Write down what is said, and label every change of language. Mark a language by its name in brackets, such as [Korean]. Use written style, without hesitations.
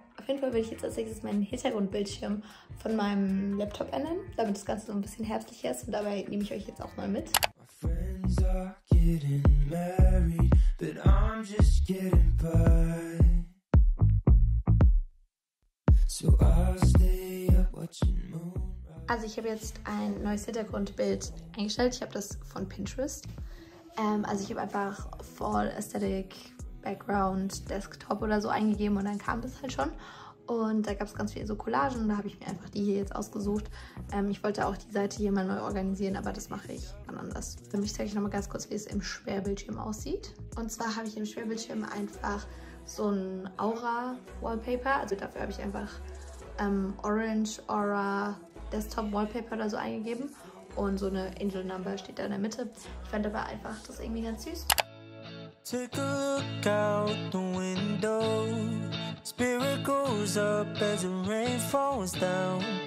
[German] Will ich jetzt als nächstes meinen Hintergrundbildschirm von meinem Laptop ändern, damit das Ganze so ein bisschen herbstlicher ist. Und dabei nehme ich euch jetzt auch mal mit. [English] My friends are getting married, but I'm just getting by. So I'll stay up watching moonrise. [German] Also ich habe jetzt ein neues Hintergrundbild eingestellt. Ich habe das von Pinterest. Also ich habe einfach [English] Fall Aesthetic Background Desktop [German] oder so eingegeben und dann kam das halt schon. Und da gab es ganz viele so Collagen und da habe ich mir einfach die hier jetzt ausgesucht. Ich wollte auch die Seite hier mal neu organisieren, aber das mache ich dann anders. Für mich zeige ich nochmal ganz kurz, wie es im Schwerbildschirm aussieht. Und zwar habe ich im Schwerbildschirm einfach so ein Aura-Wallpaper. Also dafür habe ich einfach [English] Orange Aura Desktop Wallpaper [German] oder so eingegeben. Und so eine Angel Number steht da in der Mitte. Ich fand aber einfach das irgendwie ganz süß. [English] Take a look out the window. Spirit goes up as the rain falls down.